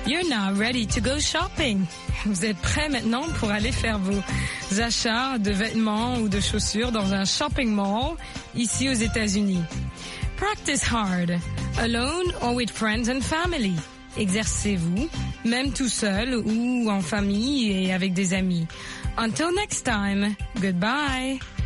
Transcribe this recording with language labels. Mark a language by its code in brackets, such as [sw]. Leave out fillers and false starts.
[en] now ready to go shopping. [fr] Vous êtes prêt maintenant pour aller faire vos achats de vêtements ou de chaussures dans un shopping mall ici aux États-Unis. [en] Practice hard, alone or with friends and family. [fr] Exercez-vous, même tout seul ou en famille et avec des amis. [en] Until next time, goodbye.